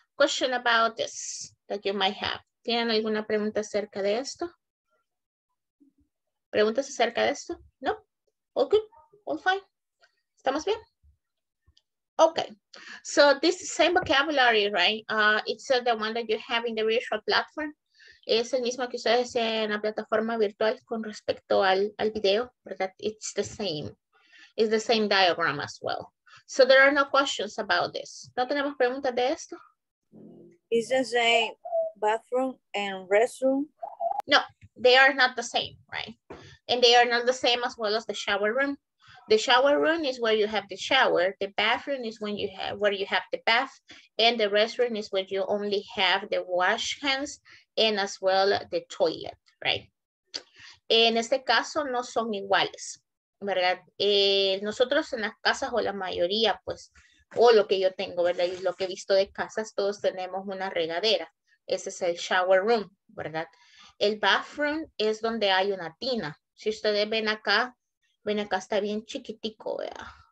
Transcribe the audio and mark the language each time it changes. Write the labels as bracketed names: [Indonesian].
[English] Question about this that you might have. [Spanish] ¿Tienen alguna pregunta acerca de esto? ¿Preguntas acerca de esto? No? [English] All good? All fine? [Spanish] ¿Estamos bien? [English] Okay, so this same vocabulary, right? It's the one that you have in the virtual platform. [Spanish] Es el mismo que ustedes en la plataforma virtual con respecto al video, ¿verdad? [English] It's the same. It's the same diagram as well. So there are no questions about this. [Spanish] ¿No tenemos preguntas de esto? [English] It's the same bathroom and restroom? No, they are not the same, right? And they are not the same as well as the shower room. The shower room is where you have the shower. The bathroom is when you have where you have the bath, and the restroom is where you only have the wash hands and as well the toilet, right? [Spanish] En este caso no son iguales, ¿verdad? Nosotros en las casas o la mayoría, pues, o lo que yo tengo, ¿verdad? Y lo que he visto de casas, todos tenemos una regadera. Ese es el shower room, ¿verdad? El bathroom es donde hay una tina. Si ustedes ven acá. Bueno, acá está bien chiquitico, vea.